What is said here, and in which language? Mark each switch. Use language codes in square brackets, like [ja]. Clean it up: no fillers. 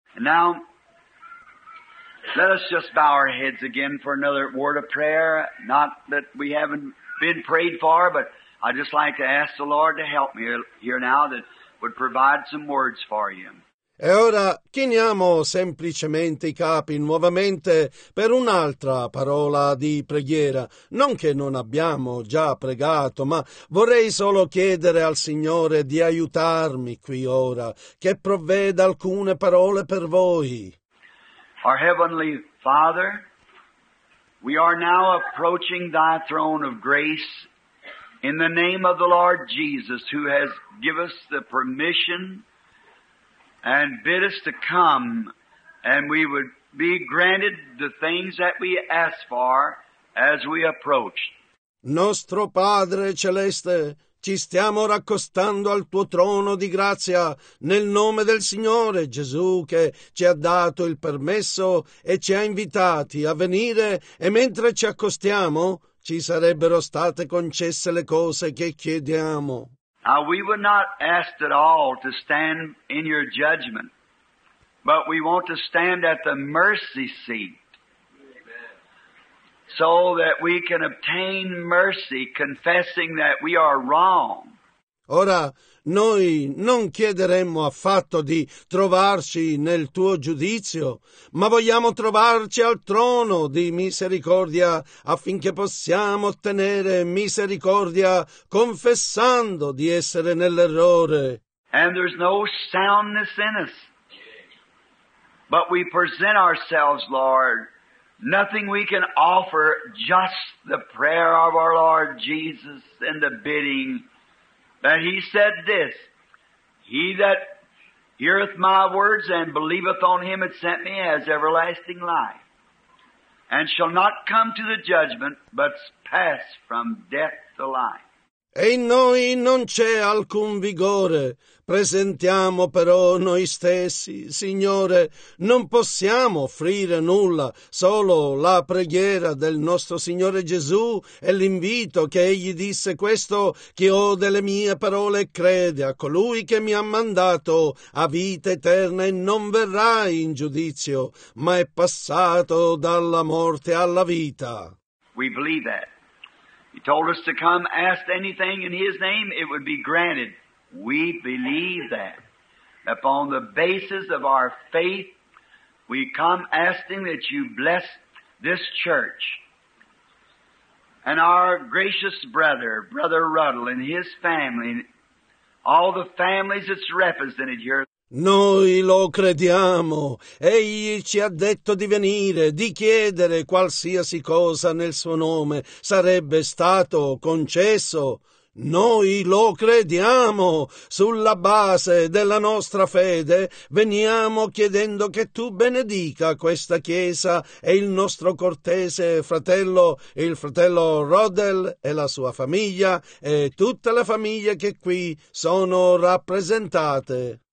[en] Now, let us just bow our heads again for another word of prayer. Not that we haven't been prayed for, but I'd just like to ask the Lord to help me here now that would provide some words for you. [it] E ora chiniamo semplicemente i capi nuovamente per un'altra parola di preghiera. Non che non abbiamo già pregato, ma vorrei solo chiedere al Signore di aiutarmi qui ora, che provveda alcune parole per voi. [en] Our Heavenly Father, we are now approaching Thy throne of grace in the name of the Lord Jesus, who has given us the permission and bid us to come, and we would be granted the things that we ask for as we approach. [it] Nostro Padre Celeste, ci stiamo raccostando al tuo trono di grazia nel nome del Signore Gesù, che ci ha dato il permesso e ci ha invitati a venire, e mentre ci accostiamo ci sarebbero state concesse le cose che chiediamo. [en] Now, we would not ask at all to stand in your judgment, but we want to stand at the mercy seat so that we can obtain mercy, confessing that we are wrong. [it] Ora, noi non chiederemmo affatto di trovarci nel tuo giudizio, ma vogliamo trovarci al trono di misericordia affinché possiamo ottenere misericordia confessando di essere nell'errore. [en] And there's no soundness in us, but we present ourselves, Lord, nothing we can offer, just the prayer of our Lord Jesus and the bidding. That he said this, he that heareth my words and believeth on him that sent me has everlasting life, and shall not come to the judgment, but pass from death to life. [it] E in noi non c'è alcun vigore, presentiamo però noi stessi, Signore, non possiamo offrire nulla, solo la preghiera del nostro Signore Gesù e l'invito che Egli disse questo, chi ode le mie parole e crede a colui che mi ha mandato a vita eterna e non verrà in giudizio, ma è passato dalla morte alla vita. [en] We believe that. He told us to come, ask anything in His name, it would be granted. We believe that. Upon the basis of our faith, we come asking that you bless this church and our gracious brother, Brother Ruddle, and his family, and all the families that's represented here. [it] Noi lo crediamo. Egli ci ha detto di venire, di chiedere qualsiasi cosa nel suo nome. Sarebbe stato concesso. Noi lo crediamo. Sulla base della nostra fede, veniamo chiedendo che tu benedica questa chiesa e il nostro cortese fratello, il fratello Rodel e la sua famiglia e tutte le famiglie che qui sono rappresentate.